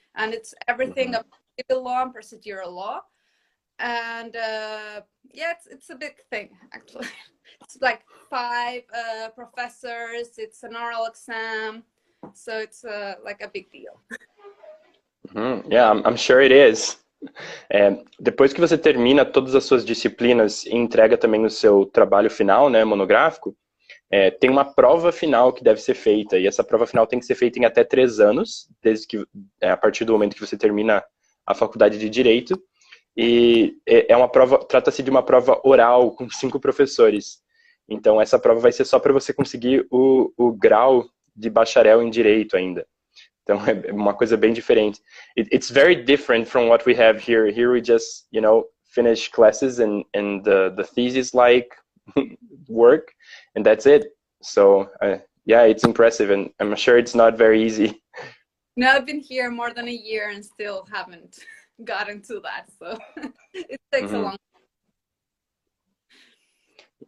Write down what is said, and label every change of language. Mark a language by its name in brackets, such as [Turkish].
[English] And it's everything about civil law and procedural law. And it's a big thing, actually. It's like five professors, it's an oral exam, so it's like a big deal. Yeah, I'm sure it is. [Portuguese] Depois que você termina todas as suas disciplinas e entrega também o seu trabalho final, né, monográfico, tem uma prova final que deve ser feita, e essa prova final tem que ser feita em até 3 anos, desde que, a partir do momento que você termina a faculdade de Direito, e é uma prova, trata-se de uma prova oral com 5 professores. Então essa prova vai ser só para você conseguir o grau de bacharel em Direito ainda. Então, uma coisa bem diferente. [English] It's very different from what we have here. Here we just, you know, finish classes and the thesis-like work, and that's it. So, it's impressive, and I'm sure it's not very easy. No, I've been here more than a year and still haven't gotten to that, so it takes a long time.